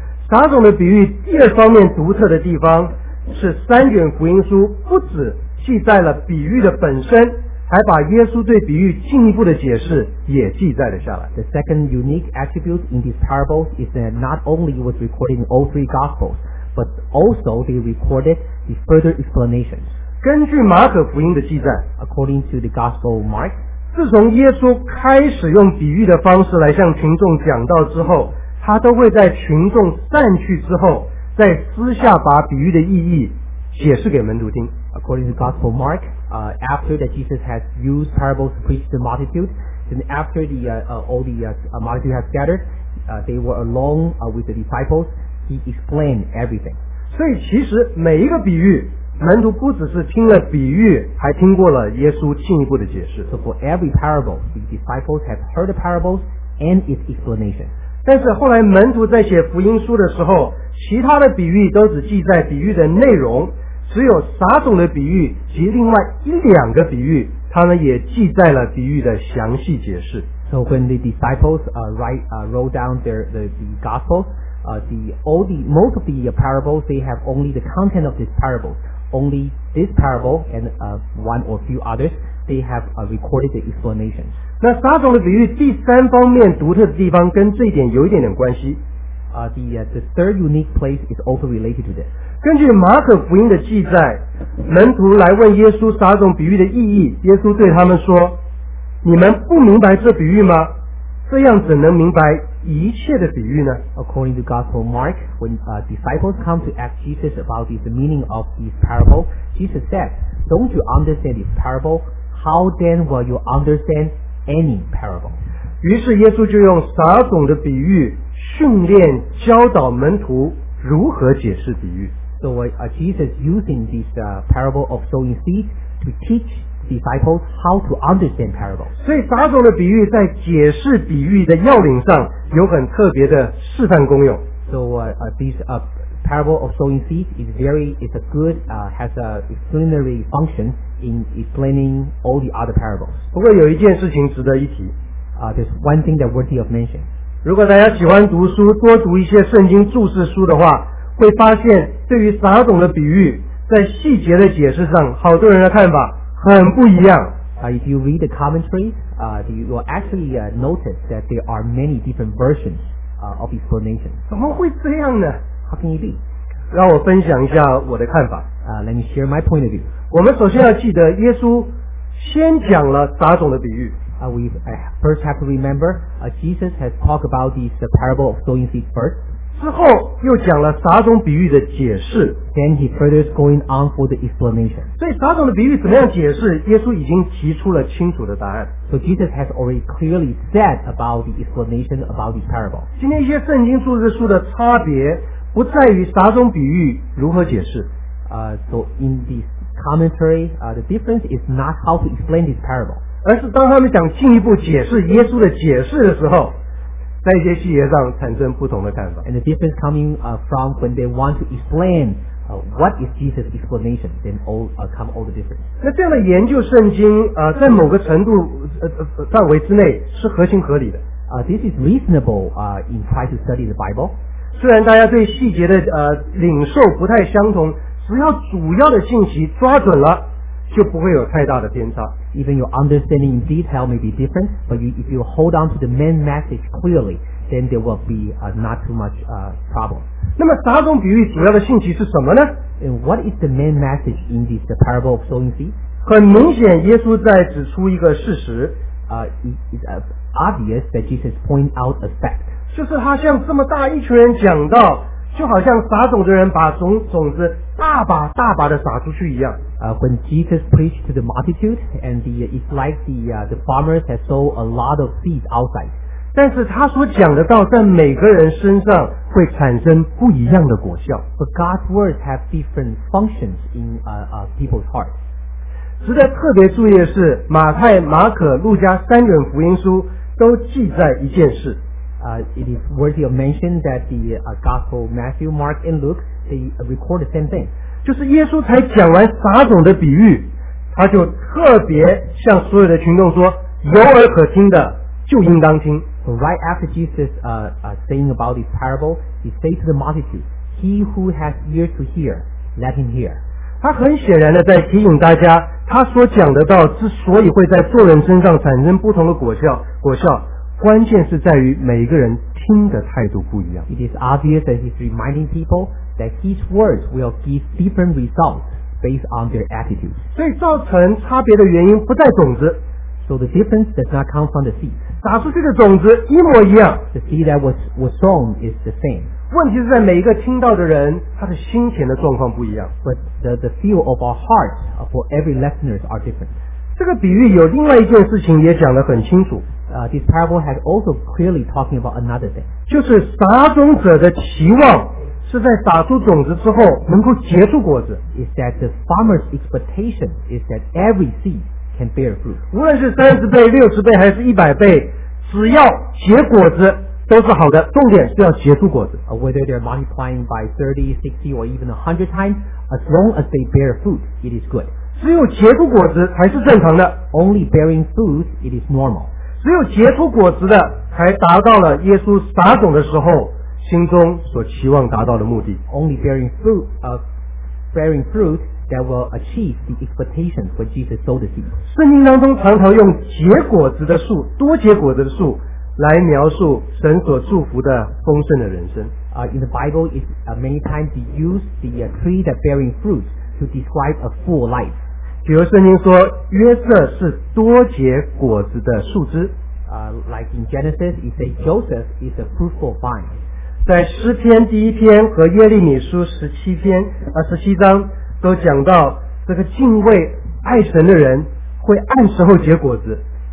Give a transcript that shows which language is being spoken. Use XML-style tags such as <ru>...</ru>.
<zh>撒种的比喻第二方面独特的地方是三卷福音书不只记载了比喻的本身，还把耶稣对比喻进一步的解释也记载了下来。</zh> <en>The second unique attribute in these parables is that not only was recorded in all three gospels, but also they recorded the further explanations.</en> <zh>根据马可福音的记载，</zh> <en>According to the Gospel of Mark,</en> <zh>自从耶稣开始用比喻的方式来向群众讲道之后，他都会在群众散去之后再私下把比喻的意义解释给门徒听。</zh> <en>According to the Gospel of Mark, after that Jesus has used parables to preach to the multitude, then after the, multitude has gathered, they were alone with the disciples, he explained everything.</en> <zh>所以其实每一个比喻，门徒不只是听了比喻，还听过了耶稣进一步的解释。</zh> <en>So for every parable, the disciples have heard the parables and its explanation.</en> <zh>但是后来门徒在写福音书的时候，其他的比喻都只记载比喻的内容，只有撒种的比喻及另外一两个比喻，他们也记载了比喻的详细解释。</zh> <en>So when the disciples wrote down the gospels, most of the parables they have only the content of this parable. Only this parable and one or few others they have recorded the explanations.</en> <zh>那撒种的比喻第三方面独特的地方跟这一点有一点点关系。</zh> <en>The third unique place is also related to this.</en> <zh>根据马可福音的记载，门徒来问耶稣撒种比喻的意义，耶稣对他们说，你们不明白这比喻吗？这样怎能明白一切的比喻呢？</zh> <en>According to Gospel Mark, when disciples come to ask Jesus about the meaning of this parable, Jesus said, don't you understand this parable? How then will you understand any parable?</en> <zh>于是耶稣就用撒种的比喻训练教导门徒如何解释比喻。</zh> <en>So Jesus using this parable of sowing seed to teach disciples how to understand parables.</en> <zh>所以撒种的比喻在解释比喻的要领上有很特别的示范功用。</zh> <en>So this parable of sowing seed has a extraordinary function in explaining all the other parables.</en> <zh>不过有一件事情值得一提，</zh> <en>There's one thing that worthy of mention.</en> <zh>如果大家喜欢读书，多读一些圣经注释书的话，会发现对于撒种的比喻在细节的解释上，好多人的看法很不一样。</zh> <en>If you read the commentaries, you will actually notice that there are many different versions of explanation.</en> <zh>怎么会这样呢？</zh> <en>How can it be?</en> <zh>让我分享一下我的看法。</zh> <en>Let me share my point of view.</en> <zh>我们首先要记得耶稣先讲了撒种的比喻。</zh> <en>We first have to remember, Jesus has talked about this parable of sowing seed first.</en> <zh>之后又讲了撒种比喻的解释。</zh> <en>Then he further is going on for the explanation.</en> <zh>所以撒种的比喻怎么样解释，耶稣已经提出了清楚的答案。</zh> <en>So Jesus has already clearly said about the explanation about this parable.</en> <zh>今天一些圣经注释书的差别不在于撒种比喻如何解释。</zh> <en>So in this commentary, the difference is not how to explain this parable.</en> <zh>而是当他们想进一步解释耶稣的解释的时候，在一些细节上产生不同的看法。</zh> <en>And the difference coming from when they want to explain what is Jesus' explanation, then all come all the difference.</en> <zh>那这样的研究圣经在某个程度范围之内是合情合理的。</zh> <en>This is reasonable in trying to study the Bible.</en> <zh>虽然大家对细节的领受不太相同，只要主要的信息抓准了就不会有太大的偏差。</zh> <en>Even your understanding in detail may be different, but if you hold on to the main message clearly, then there will be not too much problem.</en> <zh>那么撒种比喻主要的信息是什么呢？</zh> <en>And what is the main message in this the parable of sowing seed?</en> <zh>很明显，耶稣在指出一个事实。</zh> <en>It's obvious that Jesus point out a fact.</en> <zh>就是他向这么大一群人讲到。就好像撒种的人把 种子大把大把的撒出去一样。</zh> <en>When Jesus preached to the multitude, and it's like the farmers had sowed a lot of seeds outside.</en> <zh>但是他所讲的道在每个人身上会产生不一样的果效。</zh> <en>But God's words have different functions in people's hearts.</en> <zh>值得特别注意的是，马太、马可、路加三卷福音书都记载一件事。</zh> <en>It is worthy of mention that the Gospel Matthew, Mark, and Luke they record the same thing.</en> <zh>就是耶稣才讲完撒种的比喻，他就特别向所有的群众说：“有耳可听的就应当听。”</zh> <en>So right after Jesus saying about this parable, he said to the multitude, "He who has ears to hear, let him hear."</en> <zh>他很显然的在提醒大家，他所讲的道之所以会在众人身上产生不同的果效。关键是在于每一个人听的态度不一样。</zh> <en>It is obvious that he's reminding people that his words will give different results based on their attitudes.</en> <zh>所以造成差别的原因不在种子。</zh> <en>So the difference does not come from the seed.</en> <zh>撒出去的种子一模一样。</zh> <en>The seed that was sown is the same.</en> <zh>问题是在每一个听到的人，他的心田的状况不一样。</zh> <en>But the feel of our hearts for every listeners are different.</en> <zh>这个比喻有另外一件事情也讲得很清楚。</zh> <en>This parable has also clearly talking about another thing.</en> <zh>就是撒种者的期望是在撒出种子之后能够结出果子。</zh> <en>Is that the farmer's expectation is that every seed can bear fruit.</en> <zh>无论是30倍、60倍还是100倍，只要结果子都是好的，重点是要结出果子。</zh> <en>Whether they're multiplying by 30, 60 or even 100 times, as long as they bear fruit, it is good.</en> <zh>只有结出果子才是正常的。</zh> <en>Only bearing fruit, it is normal.</en> <zh>只有结出果子的才达到了耶稣撒种的时候心中所期望达到的目的。</zh> <en>Only bearing fruit that will achieve the expectation for Jesus sowed the seed.</en> <zh>圣经当中常常用结果子的树、多结果子的树来描述神所祝福的丰盛的人生。</zh> <en>In the Bible, it's many times we use the tree that bearing fruit. To describe a full life.</en> <zh>比如圣经说约瑟是多结果子的树枝。</zh> <en>Like in Genesis, it says Joseph is a fruitful vine.</en> <zh>在诗篇第一篇和耶利米书十七章都讲到这个敬畏爱神的人会按时候结果子。</zh>